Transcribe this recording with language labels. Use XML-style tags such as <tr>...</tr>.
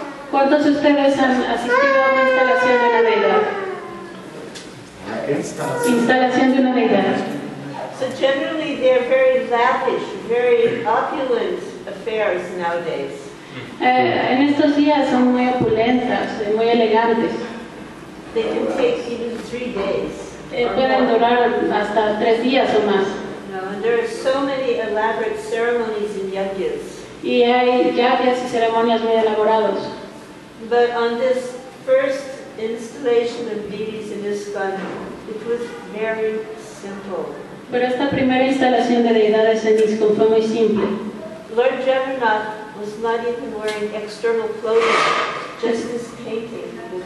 <es>¿Cuántos de ustedes han asistido a una instalación de una deidad? Instalación de una deidad.</es> <en>So generally they are very lavish, very opulent affairs nowadays.</en> <es>En estos días son muy opulentas, muy elegantes.</es> <en>They can take even 3 days.</en> <es>Pueden durar hasta 3 días o más.</es> <en>No, and there are so many elaborate ceremonies and yagyas.</en> <es>Y hay yagyas y ceremonias muy elaborados.</es> <en>But on this first installation of deities in ISKCON, it was very simple.</en> <es>Pero esta primera instalación de deidades en ISKCON fue muy simple.</es> <en>Lord Jagannath was not even wearing external clothing, just his painting.</en>